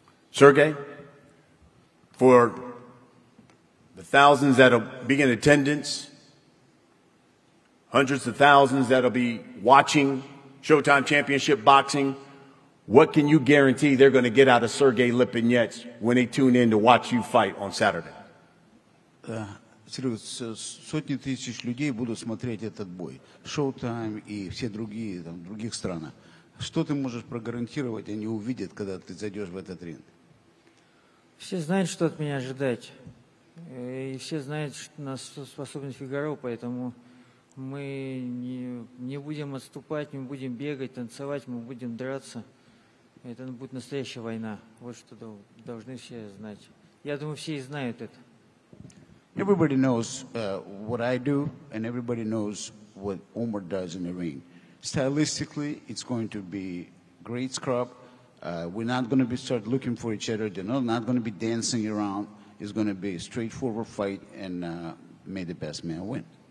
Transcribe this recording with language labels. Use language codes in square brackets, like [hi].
[en] Sergey, for the thousands that will be in attendance, hundreds of thousands that will be watching Showtime Championship Boxing, what can you guarantee they're going to get out of Sergey Lipinets when they tune in to watch you fight on Saturday? [ru] Сотни тысяч людей будут смотреть этот бой. Showtime и все другие, там, в других странах. Что ты можешь прогарантировать, они увидят, когда ты зайдешь в этот ринг? Все знают, что от меня ожидать. И все знают, что нас способен Фигаро, поэтому мы не будем отступать, мы будем бегать, танцевать, мы будем драться. Это будет настоящая война. Вот что должны все знать. Я думаю, все и знают это. [en] Everybody knows what I do, and everybody knows what Omar does in the ring. Stylistically, it's going to be great scrub. We're not going to be start looking for each other. They're not going to be dancing around. It's going to be a straightforward fight, and may the best man win.